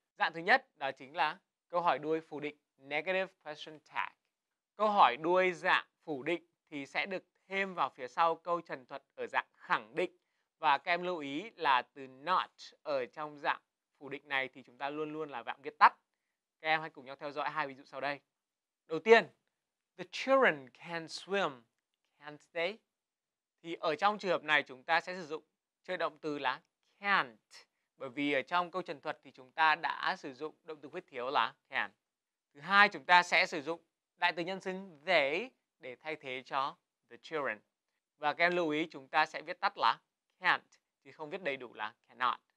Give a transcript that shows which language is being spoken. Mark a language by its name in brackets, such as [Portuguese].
[Vietnamese] Dạng thứ nhất đó chính là câu hỏi đuôi phủ định, negative question tag. Câu hỏi đuôi dạng phủ định thì sẽ được thêm vào phía sau câu trần thuật ở dạng khẳng định. Và các em lưu ý là từ not ở trong dạng phủ định này thì chúng ta luôn luôn là dạng viết tắt. Các em hãy cùng nhau theo dõi hai ví dụ sau đây. Đầu tiên, [English] the children can swim, can't they? [Vietnamese] Thì ở trong trường hợp này chúng ta sẽ sử dụng trợ động từ là can't. Bởi vì ở trong câu trần thuật thì chúng ta đã sử dụng động từ khuyết thiếu là can. Thứ hai, chúng ta sẽ sử dụng đại từ nhân xưng they để thay thế cho the children. Và các em lưu ý chúng ta sẽ viết tắt là can't, chứ không viết đầy đủ là cannot.